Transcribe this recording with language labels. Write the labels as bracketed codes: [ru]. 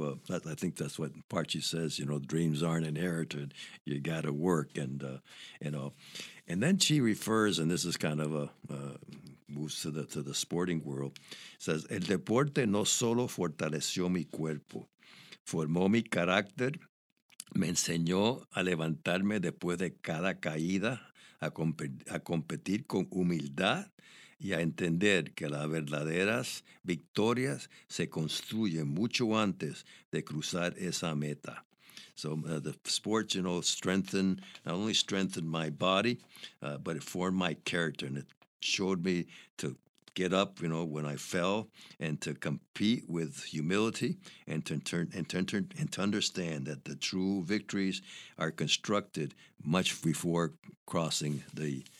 [en] I think that's what Parchi says. You know, dreams aren't inherited; you got to work, and then she refers, and this is kind of moves to the sporting world. [es] Says, el deporte no solo fortaleció mi cuerpo. Formó mi carácter, me enseñó a levantarme después de cada caída, a competir con humildad y a entender que las verdaderas victorias se construyen mucho antes de cruzar esa meta. [en] So the sports, you know, not only strengthened my body, but it formed my character, and it showed me to get up, you know, when I fell, and to compete with humility, and to understand that the true victories are constructed much before crossing the